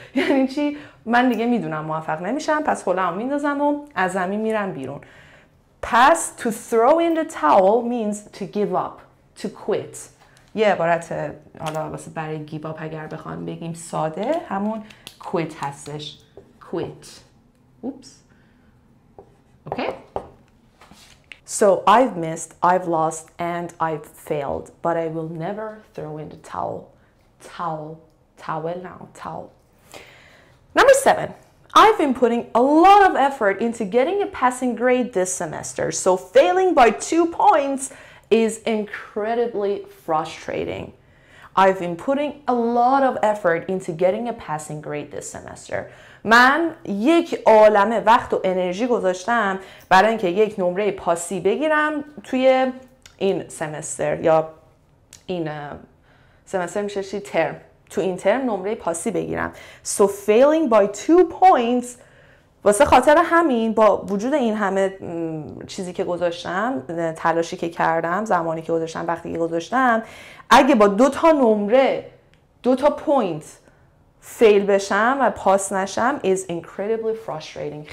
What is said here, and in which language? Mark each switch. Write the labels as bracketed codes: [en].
[fa] یعنی چی؟ من دیگه میدونم موفق نمیشم، پس هولم میندازم و از زمین میرم بیرون. [en] پس to throw in the towel means to give up, to quit. [fa] یه عبارت حالا واسه برای [en] give up [fa] اگر بخوام بگیم ساده همون quit هستش. [en] Quit. Oops. Okay. So I've missed, I've lost, and I've failed, but I will never throw in the towel. Towel. Towel now. Towel. Number 7. I've been putting a lot of effort into getting a passing grade this semester, so failing by 2 points is incredibly frustrating. I've been putting a lot of effort into getting a passing grade this semester. [fa] من یک عالمه وقت و انرژی گذاشتم برای اینکه یک نمره پاسی بگیرم توی این سمستر یا این سمستر میشه چی ترم تو این ترم نمره پاسی بگیرم. [en] So failing by 2 points [fa] واسه خاطر همین با وجود این همه چیزی که گذاشتم، تلاشی که کردم، زمانی که گذاشتم، وقتی که گذاشتم، اگه با 2 تا نمره 2 تا پوینت فیل بشم و پاس نشم [en] is incredibly frustrating.